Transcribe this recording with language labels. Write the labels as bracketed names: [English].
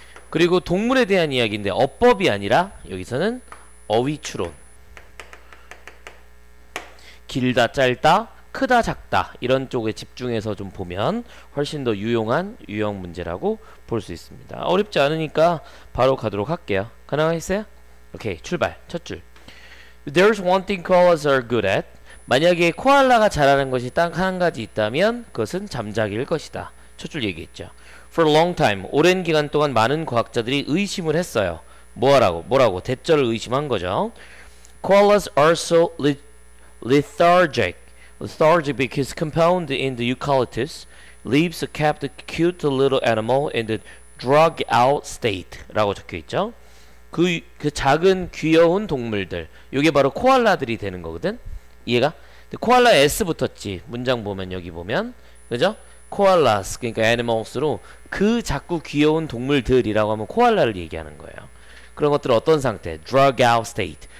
[Korean] 그리고 동물에 대한 이야기인데 어법이 아니라 여기서는 어휘추론. 길다 짧다 크다 작다 이런 쪽에 집중해서 좀 보면 훨씬 더 유용한 유형 문제라고 볼 수 있습니다. 어렵지 않으니까 바로 가도록 할게요. 가능하겠어요? 오케이, 출발. 첫 줄. [English] There's one thing koalas are good at. [Korean] 만약에 코알라가 잘하는 것이 딱 한 가지 있다면 그것은 잠자기일 것이다. 첫 줄 얘기했죠. [English] For a long time, [Korean] 오랜 기간 동안 많은 과학자들이 의심을 했어요. 뭐라고? 대절을 의심한 거죠. [English] Koalas are so lethargic. Lethargic because compound in the eucalyptus leaves a kept cute little animal in the drug out state [Korean] 라고 적혀있죠. 그 작은 귀여운 동물들, 요게 바로 코알라들이 되는 거거든. 이해가? 코알라 S 붙었지. 문장 보면, 여기 보면, 그죠? Koalas, 그러니까 animals로 그 작고 귀여운 동물들이라고 하면 코알라를 얘기하는 거예요. 그런 것들은 어떤 상태? [English] Drug out state.